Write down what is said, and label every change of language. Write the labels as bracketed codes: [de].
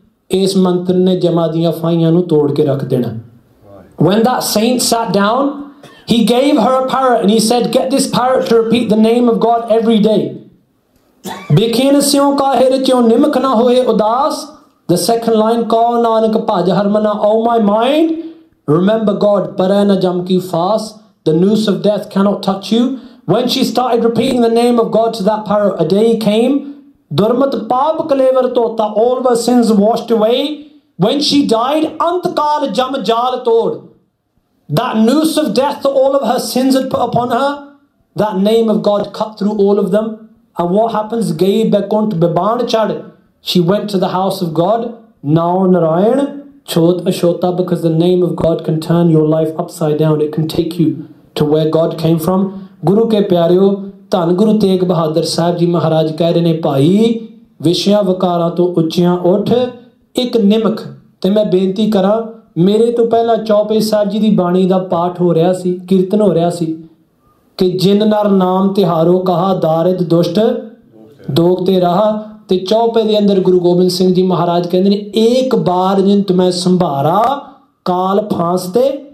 [pa] ਇਸ ਮੰਤਰ ਨੇ ਜਮਾਂ ਦੀਆਂ ਫਾਹੀਆਂ ਨੂੰ ਤੋੜ ਕੇ ਰੱਖ ਦੇਣਾ [en] When that saint sat down, he gave her a parrot and he said, get this parrot to repeat the name of God every day. [pa] ਬਿਖੇਨ ਸਿਉਂ ਕਾਹਿਰ ਚਿਉਂ ਨਿਮਕ ਨਾ ਹੋਏ ਉਦਾਸ [en] The second line, [pa] Q Nanak ਭਜ ਹਰਮਨਾ [en] Oh my mind, remember God, [pa] ਪਰੈ ਨਾ ਜਮ ਕੀ ਫਾਸ [en] The noose of death cannot touch you. When she started repeating the name of God to that parrot, a day came. [pa] Durmat paap kalevar tota, [en] all of her sins washed away. When she died, [pa] antkaal jam jaal tod. [en] That noose of death that all of her sins had put upon her, that name of God cut through all of them. And what happens? [pa] Gai bekunt bibaan chad. [en] She went to the house of God. [pa] Nao narayan chod ashota, [en] because the name of God can turn your life upside down. It can take you to where God came from. [pa] ਗੁਰੂ ਕੇ ਪਿਆਰਿਓ ਧੰਨ ਗੁਰੂ ਤੇਗ ਬਹਾਦਰ ਸਾਹਿਬ ਜੀ ਮਹਾਰਾਜ ਕਹਿ ਰਹੇ ਨੇ ਭਾਈ ਵਿਸ਼ਿਆਂ ਵਿਕਾਰਾਂ ਤੋਂ ਉੱਚਿਆਂ ਉੱਠ ਇੱਕ ਨਿਮਕ ਤੇ ਮੈਂ ਬੇਨਤੀ ਕਰਾਂ ਮੇਰੇ ਤੋਂ ਪਹਿਲਾਂ ਚੌਪੇ ਸਾਹਿਬ ਜੀ ਦੀ ਬਾਣੀ ਦਾ ਪਾਠ ਹੋ ਰਿਹਾ ਸੀ ਕੀਰਤਨ ਹੋ ਰਿਹਾ ਸੀ ਕਿ ਜਿਨ ਨਰ ਨਾਮ ਤਿਹਾਰੋ ਕਹਾ ਦਾਰਿਦ ਦੁਸ਼ਟ ਦੋਖ ਤੇ ਰਹਾ ਤੇ ਚੌਪੇ ਦੇ ਅੰਦਰ ਗੁਰੂ ਗੋਬਿੰਦ ਸਿੰਘ ਜੀ ਮਹਾਰਾਜ ਕਹਿੰਦੇ ਨੇ ਏਕ ਬਾਰ ਜਿੰਤ ਮੈਂ ਸੰਭਾਰਾ ਕਾਲ ਫਾਂਸ ਤੇ